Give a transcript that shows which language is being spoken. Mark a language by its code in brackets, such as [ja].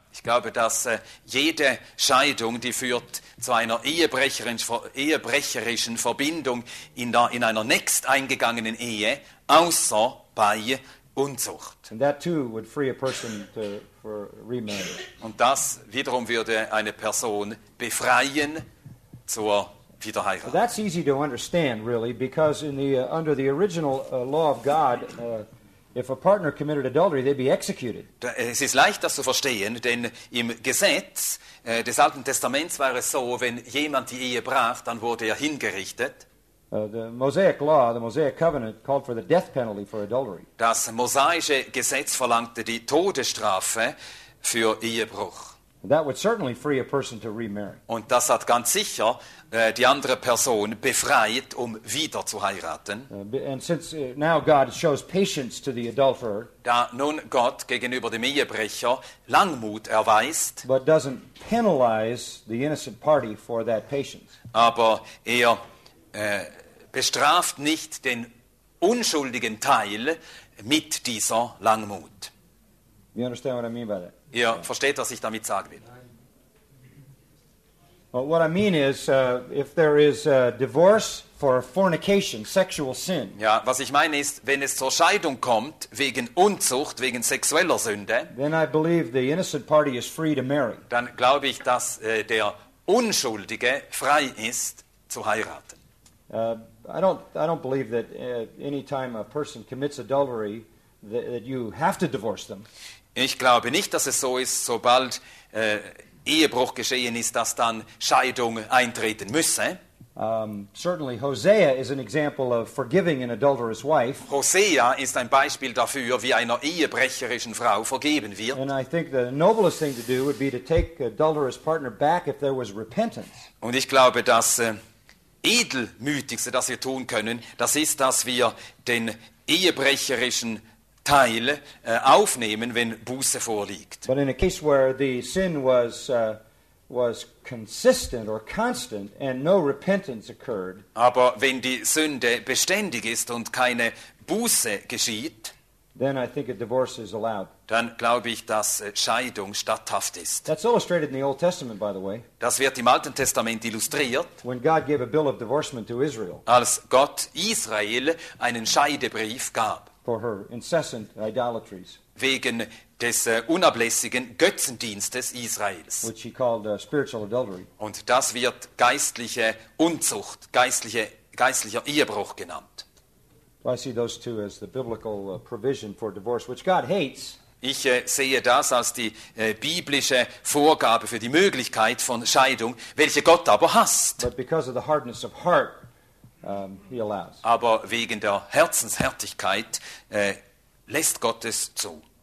[de] Ich glaube, dass jede Scheidung, die führt zu einer ehebrecherischen Verbindung in einer nächst eingegangenen Ehe, außer bei Unzucht. [en] And that too would free a person to, for remarriage. [de] Und das wiederum würde eine Person befreien zur Wiederheirat. [en] So that's easy to understand, really, because in the, under the original law of God, if a partner committed adultery, they'd be executed. [de] Es ist leicht, das zu verstehen, denn im Gesetz des Alten Testaments war es so, wenn jemand die Ehe brach, dann wurde er hingerichtet. [en] The Mosaic law, the Mosaic covenant, called for the death penalty for adultery. [de] Das mosaische Gesetz verlangte die Todesstrafe für Ehebruch. [en] That would certainly free a person to remarry. [de] Und das hat ganz sicher die andere Person befreit, um wieder zu heiraten. [en] And since now God shows patience to the adulterer, [de] da nun Gott gegenüber dem Ehebrecher Langmut erweist, [en] but doesn't penalize the innocent party for that patience. [de] Aber er bestraft nicht den unschuldigen Teil mit dieser Langmut. [en] You understand what I mean by that? [de] Ihr versteht, was ich damit sagen will. [en] Well, what I mean is, if there is a divorce for fornication, sexual sin. [de] Ja, was ich meine ist, wenn es zur Scheidung kommt wegen Unzucht, wegen sexueller Sünde, [en] then I believe the innocent party is free to marry. [de] Dann glaube ich, dass der Unschuldige frei ist zu heiraten. [en] I don't believe that any time a person commits adultery, that you have to divorce them. [de] Ich glaube nicht, dass es so ist, sobald Ehebruch geschehen ist, dass dann Scheidung eintreten müsse. [en] Certainly Hosea is an example of forgiving an adulterous wife. [de] Hosea ist ein Beispiel dafür, wie einer ehebrecherischen Frau vergeben wird. [en] And I think the noblest thing to do would be to take an adulterous partner back if there was repentance. [de] Und ich glaube, dass edelmütigste, das wir tun können, das ist, dass wir den ehebrecherischen Teil aufnehmen, wenn Buße vorliegt. [en] But in a case where the sin was consistent or constant and no repentance occurred. [de] Aber wenn die Sünde beständig ist und keine Buße geschieht, [en] then I think a divorce is allowed. [de] Dann glaube ich, dass Scheidung statthaft ist. [en] That's illustrated in the Old Testament, by the way. [de] Das wird im Alten Testament illustriert. [en] When God gave a bill of divorcement to Israel. [de] Als Gott Israel einen Scheidebrief gab. [en] For her incessant idolatries, [de] wegen des unablässigen Götzendienstes Israels, [en] which he called spiritual adultery. [de] Und das wird geistliche Unzucht, geistlicher Ehebruch genannt. [en] I see those two as the biblical provision for divorce, which God hates. [de] Ich sehe das als die biblische Vorgabe für die Möglichkeit von Scheidung, welche Gott aber hasst. [en] But because of the hardness of heart, he allows. [de] Aber wegen der Herzenshärtigkeit lässt Gott es zu.